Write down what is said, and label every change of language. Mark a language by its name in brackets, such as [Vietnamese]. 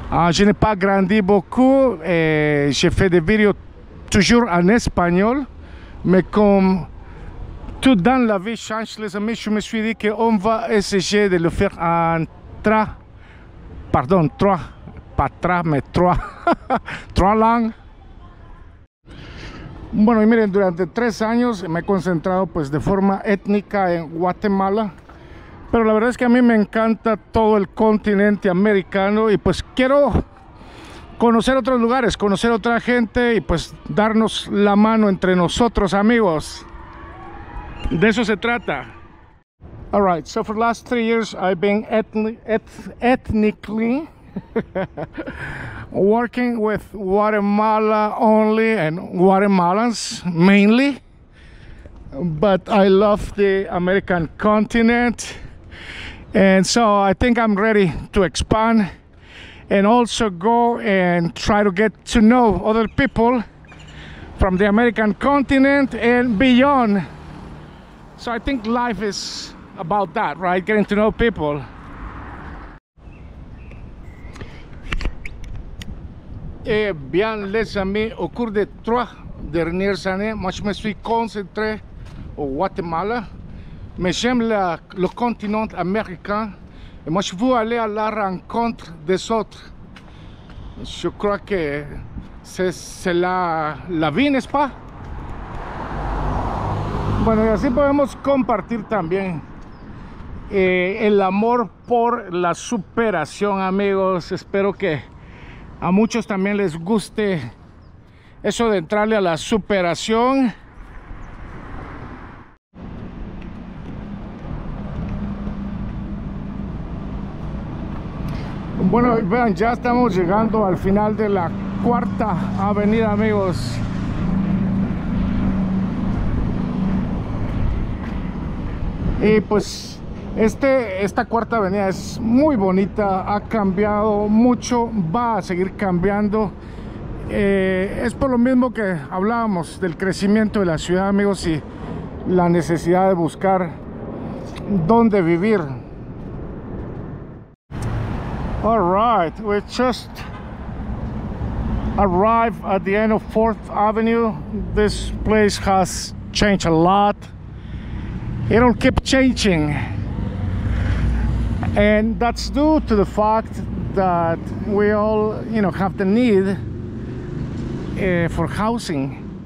[French] Je n'ai pas grandi beaucoup et j'ai fait des vidéos toujours en espagnol, mais comme tout dans la vie change, les amis, je me suis dit qu'on va essayer de le faire en trois langues. [Spanish] Bueno, y miren, durante 3 años me he concentrado pues de forma étnica en Guatemala. Pero la verdad es que a mí me encanta todo el continente americano y pues quiero conocer otros lugares, conocer otra gente y pues darnos la mano entre nosotros, amigos. De eso se trata. [English] All right, so for the last 3 years I've been ethnically working with Guatemala only and Guatemalans mainly. But I love the American continent. And so I think I'm ready to expand and also go and try to get to know other people from the American continent and beyond. So I think life is about that, right? Getting to know people. [French] Eh bien, les amis, au cours des 3 dernières années, moi je me suis concentré au Guatemala. Mais j'aime le continent américain et moi je veux aller à la rencontre des autres. Je crois que c'est la vie, n'est-ce pas? [Spanish] Bueno, y así podemos compartir también el amor por la superación, amigos. Espero que a muchos también les guste eso de entrarle a la superación. Bueno, vean, ya estamos llegando al final de la 4ª avenida, amigos. Y pues esta 4ª avenida es muy bonita, ha cambiado mucho, va a seguir cambiando. Es por lo mismo que hablábamos del crecimiento de la ciudad, amigos, y la necesidad de buscar dónde vivir. [English] All right, we just arrived at the end of 4th Avenue. This place has changed a lot. it'll keep changing. And that's due to the fact that we all, you know, have the need for housing.